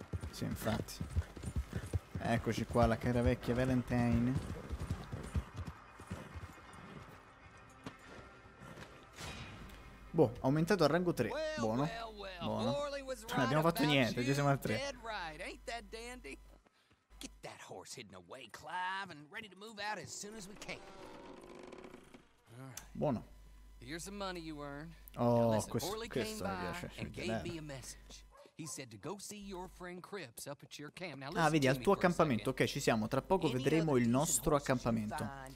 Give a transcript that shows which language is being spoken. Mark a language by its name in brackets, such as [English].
[Italian] Sì, infatti. Eccoci qua, la cara vecchia Valentine. Boh, aumentato a rango 3. Buono. Buono. Non abbiamo fatto niente, già siamo al 3. [English] Ain't that dandy? Get that horse hidden away, Clive, and ready to move out as soon as we can. [Italian] Buono. [English] Here's the money you earned. [Italian] Oh, questo mi piace. [English] And gave me a message. He said to go see your friend Cripps up at your camp. [Italian] Now, ah, vedi, al tuo accampamento. Ok, ci siamo. Tra poco vedremo il nostro accampamento.